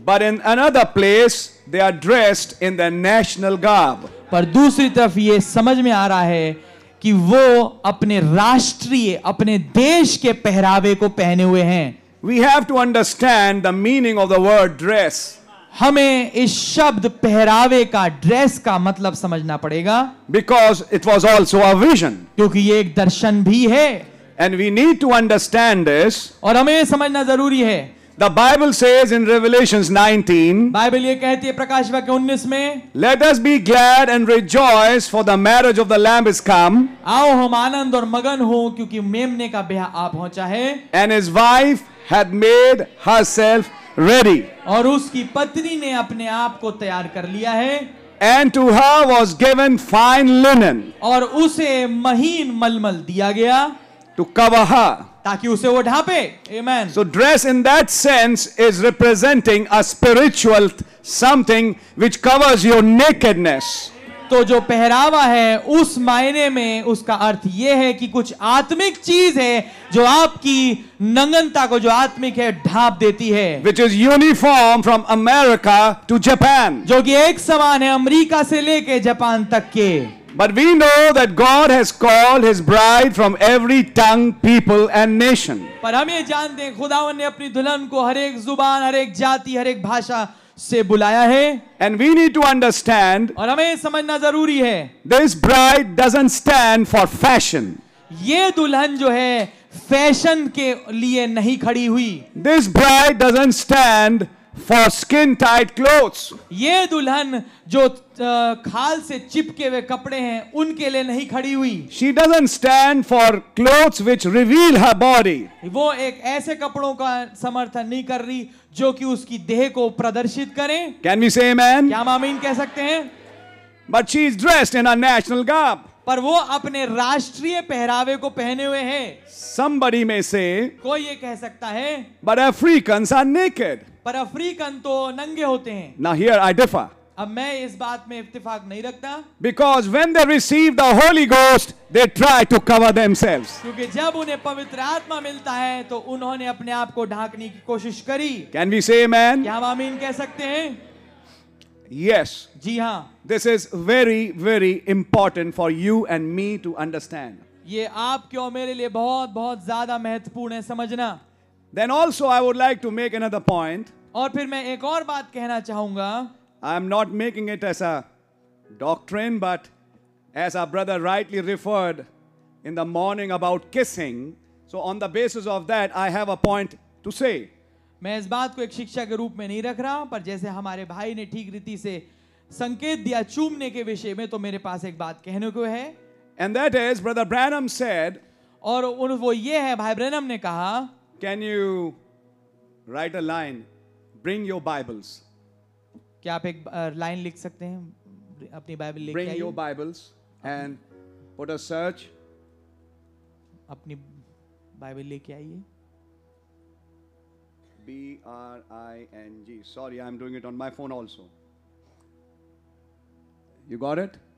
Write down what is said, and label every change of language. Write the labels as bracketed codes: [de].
[en] but in another place they are dressed in the national garb, [hi] पर दूसरी तरफ ये समझ में आ रहा है कि वो अपने राष्ट्रीय, अपने देश के पहरावे को पहने हुए हैं। [en] We have to understand the meaning of the word dress. [hi] हमें इस शब्द पहरावे का, ड्रेस का मतलब समझना पड़ेगा। [en] Because it was also a vision. [hi] क्योंकि ये एक दर्शन भी है। [en] And we need to understand this. [hi] और हमें समझना जरूरी है। [en] The Bible says in Revelations 19. [hi] Bible ये कहती है प्रकाश वाक्य 19 में। [en] Let us be glad and rejoice, for the marriage of the Lamb is come. [hi] आओ हम आनंद और मगन हों क्योंकि मेमने का ब्याह आ पहुंचा है। [en] And his wife had made herself ready. [hi] और उसकी पत्नी ने अपने आप को तैयार कर लिया है। [en] And to her was given fine linen. [hi] और उसे महीन मलमल दिया गया। [en] To cover her. [hi] ताकि उसे वो ढापे। Amen. [en] So dress in that sense is representing a spiritual something which covers your nakedness. [hi] तो जो पहरावा है उस मायने में उसका अर्थ ये है कि कुछ आत्मिक चीज है जो आपकी नंगनता को, जो आत्मिक है, ढाप देती है। [en] Which is uniform from America to Japan. [hi] जो कि एक समान है अमेरिका से लेके जापान तक के। [en] But we know that God has called His bride from every tongue, people, and nation. [hi] पर हम ये जानते हैं, खुदावन ने अपनी दुल्हन को हर एक जुबान, हर एक जाति, हर एक भाषा से बुलाया है। [en] And we need to understand. [hi] और हमें समझना जरूरी है। [en] This bride doesn't stand for fashion. [hi] ये दुल्हन जो है, फैशन के लिए नहीं खड़ी हुई। [en] This bride doesn't stand for skin tight clothes. [hi] ये दुल्हन जो खाल से चिपके हुए कपड़े हैं उनके लिए नहीं खड़ी हुई। [en] She doesn't stand for clothes which reveal her body. [hi] वो एक ऐसे कपड़ों का समर्थन नहीं कर रही जो कि उसकी देह को प्रदर्शित करें। [en] Can we say amen? [hi] क्या हम आमीन कह सकते हैं? [en] But she is dressed in a national garb. [hi] पर वो अपने राष्ट्रीय पहरावे को पहने हुए हैं। [en] Somebody may say, [hi] कोई ये कह सकता है, [en] But Africans are naked. [hi] पर अफ्रीकन तो नंगे होते हैं। [en] Now here I differ. [hi] अब मैं इस बात में इत्तेफाक नहीं रखता। [en] Because when they receive the Holy Ghost, they try to cover themselves. [hi] क्योंकि जब उन्हें पवित्र आत्मा मिलता है, तो उन्होंने अपने आप को ढांकने की कोशिश करी। [en] Can we say amen? [hi] क्या हम आमीन कह सकते हैं? [en] Yes. [hi] जी हाँ। [en] This is very, very important for you and me to understand. [hi] ये आपके और मेरे लिए बहुत बहुत ज्यादा महत्वपूर्ण है समझना। [en] Then also I would like to make another point. [hi] और फिर मैं एक और बात कहना चाहूंगा। [en] I am not making it as a doctrine, but as our brother rightly referred in the morning about kissing, so on the basis of that, I have a point to say. [hi] मैं इस बात को एक शिक्षा के रूप में नहीं रख रहा, पर जैसे हमारे भाई ने ठीक रीति से संकेत दिया चूमने के विषय में, तो मेरे पास एक बात कहने को है। [en] And that is, Brother Branham said. [hi] और वो ये है, भाई ब्रैनम ने कहा। [en] Can you write a line? Bring your Bibles. [hi] क्या आप एक लाइन लिख सकते हैं अपनी बाइबल लेके? [en] Bring your Bibles and put a search. [hi] अपनी बाइबल लेके आइए। [en] B-R-I-N-G. Sorry, I'm doing it on my phone also. You got it?